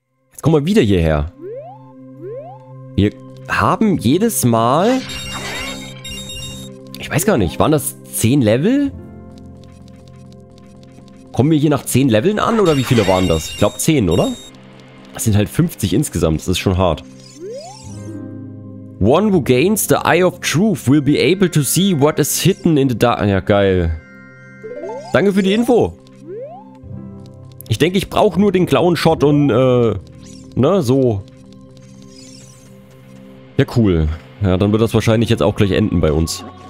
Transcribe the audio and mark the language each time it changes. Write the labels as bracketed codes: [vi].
[de] Jetzt kommen wir wieder hierher. Wir haben jedes Mal... Ich weiß gar nicht, waren das 10 Level? Kommen wir hier nach 10 Leveln an oder wie viele waren das? Ich glaube 10, oder? Das sind halt 50 insgesamt, das ist schon hart. [en] One who gains the Eye of Truth will be able to see what is hidden in the dark... [de] Ja, geil. Danke für die Info. Ich denke, ich brauche nur den Clown-Shot und, ne, so. Ja, cool. Ja, dann wird das wahrscheinlich jetzt auch gleich enden bei uns.